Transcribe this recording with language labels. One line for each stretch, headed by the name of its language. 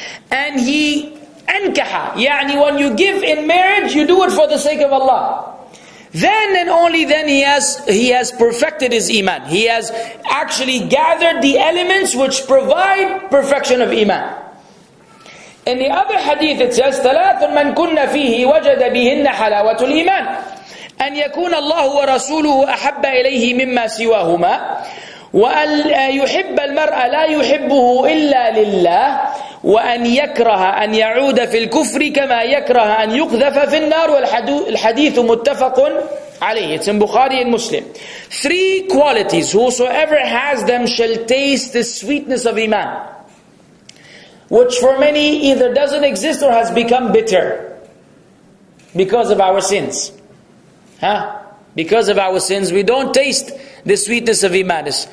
English: And he ankaha, yani when you give in marriage, you do it for the sake of Allah. Then and only then he has perfected his iman. He has actually gathered the elements which provide perfection of iman. In the other hadith it says,
Arabic: ثَلَاثٌ مَنْ كُنَّ فِيهِ وَجَدَ بِهِنَّ حَلَاوَةُ الْإِيمَانِ أَنْ يَكُونَ اللَّهُ وَرَسُولُهُ أَحَبَّ إِلَيْهِ مِمَّا سِوَاهُمَا وَأَنْ يُحِبَّ الْمَرْأَ لَا يُحِبُّهُ إِلَّا لِلَّهِ وَأَنْ يَكْرَهَ أَنْ يَعُودَ فِي الْكُفْرِ كَمَا يَكْرَهَ أَنْ يُقْذَفَ فِي النَّارِ وَالْحَدِيثُ مُتَّفَقٌ عَلَيْهِ.
English: It's in Bukhari and Muslim. Three qualities, whosoever has them shall taste the sweetness of iman, which for many either doesn't exist or has become bitter because of our sins. Huh? Because of our sins, we don't taste the sweetness of iman.